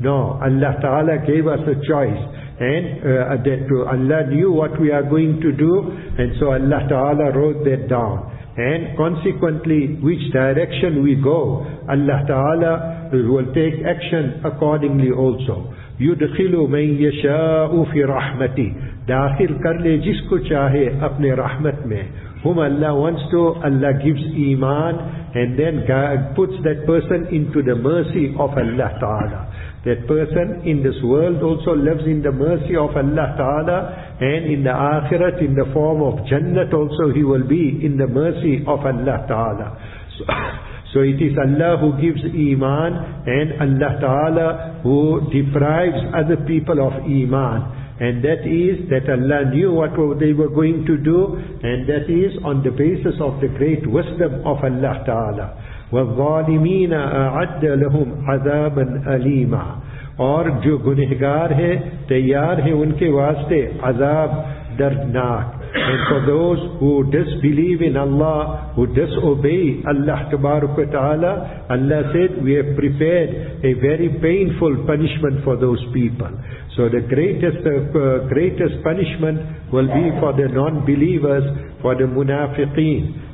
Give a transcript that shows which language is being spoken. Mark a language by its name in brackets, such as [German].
[English] No, Allah Ta'ala gave us a choice. And that Allah knew what we are going to do, and so Allah Ta'ala wrote that down. And consequently, which direction we go, Allah Ta'ala will take action accordingly also. [Arabic] يُدْخِلُ مَنْ يَشَاءُ فِي رَحْمَتِي. [Urdu] داخل کر لے جس کو چاہے اپنے رحمت میں. [English] Whom Allah wants to, Allah gives iman and then God puts that person into the mercy of Allah Ta'ala. That person in this world also lives in the mercy of Allah Ta'ala, and in the Akhirat, in the form of Jannat also, he will be in the mercy of Allah Ta'ala. So it is Allah who gives iman and Allah Ta'ala who deprives other people of iman. And that is that Allah knew what they were going to do, and that is on the basis of the great wisdom of Allah Ta'ala. [Arabic] وَالظَّالِمِينَ أَعَدَّ لَهُمْ عَذَابًا أَلِيمًا. [Urdu] اور جو گنہگار ہیں تیار ہیں ان کے واسطے عذاب دردناک. [English] And for those who disbelieve in Allah, who disobey Allah Tabaruk wa Ta'ala, Allah said, we have prepared a very painful punishment for those people. So the greatest punishment will be for the non-believers, for the munafiqeen.